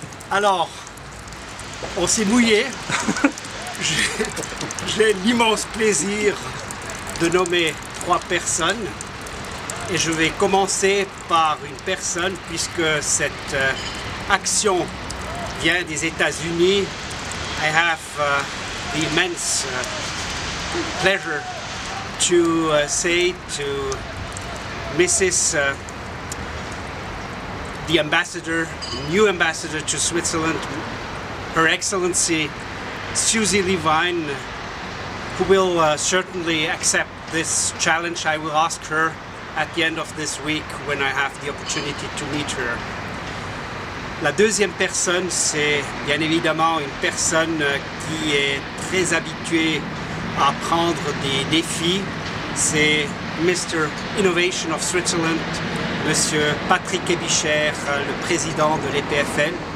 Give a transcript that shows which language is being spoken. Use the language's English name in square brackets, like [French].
[French] Alors, on s'est mouillé. J'ai l'immense plaisir de nommer trois personnes. Et je vais commencer par une personne, puisque cette action vient des États-Unis. [English] I have the immense pleasure to say to Mrs. The ambassador, new ambassador to Switzerland, Her Excellency Susie Levine, who will certainly accept this challenge. I will ask her at the end of this week when I have the opportunity to meet her. [French] La deuxième personne, c'est bien évidemment une personne qui est très habituée à prendre des défis. C'est Mr. Innovation of Switzerland, Monsieur Patrick Ebischer, le président de l'EPFL.